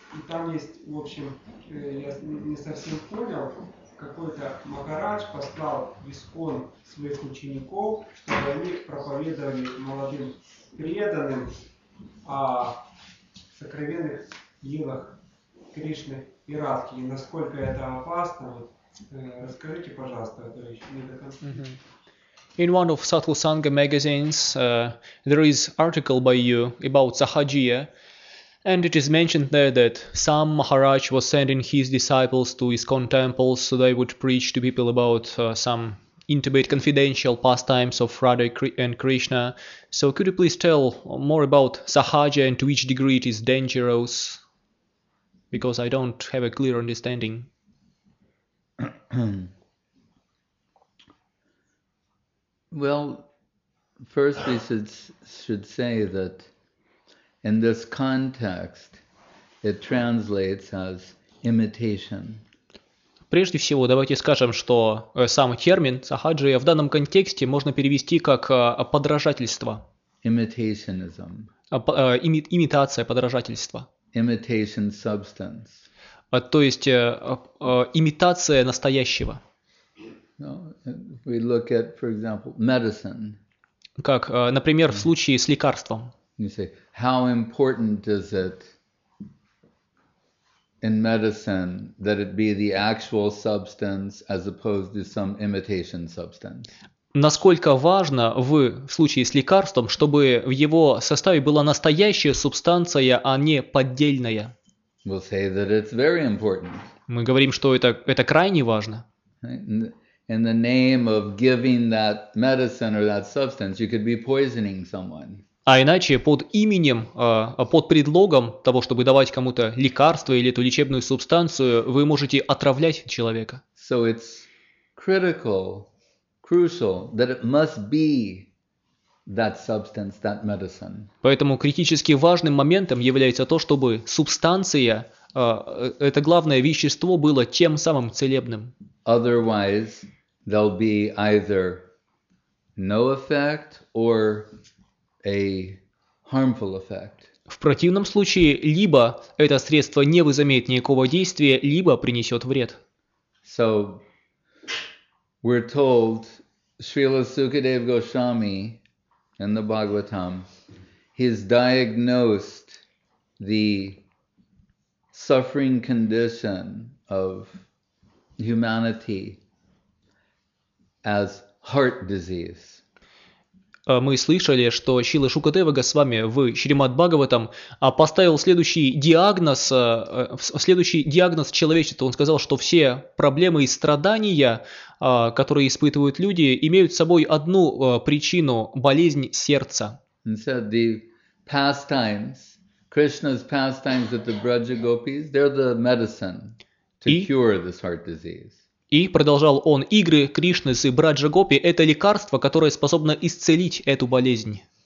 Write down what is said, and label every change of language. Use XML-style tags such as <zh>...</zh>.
<ru>И там есть, в общем, я не совсем понял, какой-то Махарадж послал в Искон своих учеников, чтобы они проповедовали молодым преданным о сокровенных лилах Кришны и Радхи. И насколько это опасно, вот, расскажите, пожалуйста, это еще не до конца.</ru> <en>In one of Sattva Sangha magazines, there is article by you about Sahajiya, and it is mentioned there that some Maharaj was sending his disciples to ISKCON temples so they would preach to people about some intimate confidential pastimes of Radha and Krishna. So could you please tell more about Sahajiya and to which degree it is dangerous? Because I don't have a clear understanding. Well, first we should say that in this context, it translates as imitation.</en> <ru>Прежде всего, давайте скажем, что сам термин сахаджия в данном контексте можно перевести как подражательство.</ru> <en>Imitationism.</en> <ru>Имитация подражательства.</ru> <en>Imitation substance.</en> <ru>То есть имитация настоящего.</ru> <en>No, we look at, for example, medicine.</en> <ru>Как, например, в случае с лекарством.</ru> <en>You say, how important is it in medicine that it be the actual substance as opposed to some imitation substance?</en> <ru>Насколько важно в случае с лекарством, чтобы в его составе была настоящая субстанция, а не поддельная?</ru> <en>We'll say that it's very important.</en> <ru>Мы говорим, что это крайне важно.</ru> <en>In the name of giving that medicine or that substance, you could be poisoning someone.</en> <ru>А иначе под именем, под предлогом того, чтобы давать кому-то лекарство или эту лечебную субстанцию, вы можете отравлять человека.</ru> <en>So it's critical, crucial that it must be that substance, that medicine.</en> <ru>Поэтому критически важным моментом является то, чтобы субстанция, это главное вещество, было тем самым целебным.</ru> <en>Otherwise there'll be either no effect or a harmful effect.</en> <ru>В противном случае либо это средство не возымеет никакого действия, либо принесет вред.</ru> <en>So we're told Srila Sukadeva Goswami in the Bhagavatam, he's diagnosed the suffering condition of humanity as heart disease.</en> <ru>Мы слышали, что Шрила Шукадева Госвами в Шримад Бхагаватам поставил следующий диагноз человечества. Он сказал, что все проблемы и страдания, которые испытывают люди, имеют с собой одну причину – болезнь сердца.</ru> <en>He said the pastimes, Krishna's pastimes at the Braja Gopis, they're the medicine to cure this heart disease.</en> <ru>И продолжал он, игры Кришны с Браджа Гопи – это лекарство, которое способно исцелить эту болезнь.</ru>